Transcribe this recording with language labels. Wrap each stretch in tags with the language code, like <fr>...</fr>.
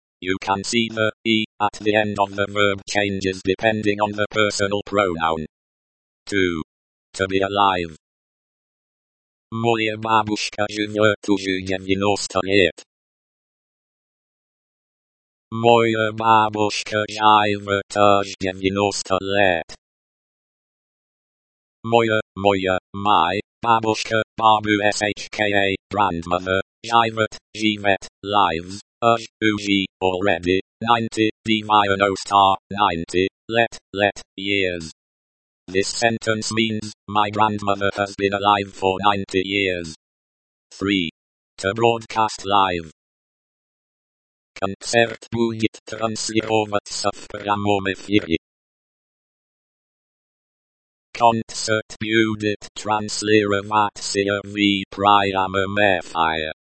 <en>You can see the e at the end of the verb changes depending on the personal pronoun. 2. To be alive.</en> <ru>Моя бабушка живет уже 90 лет. Моя бабушка живет уже 90 лет. Моя,</ru> <en>my,</en> <ru>бабушка, бабу, shka,</ru> <en>grandmother,</en> <ru>живет,</ru> <en>lives. Uji, already, 90, divino star, 90, let, years. This sentence means, my grandmother has been alive for 90 years. 3. To broadcast live.</en> <ru>Концерт будет транслироваться в прямом эфире. Концерт будет транслироваться в прямом эфире.</ru>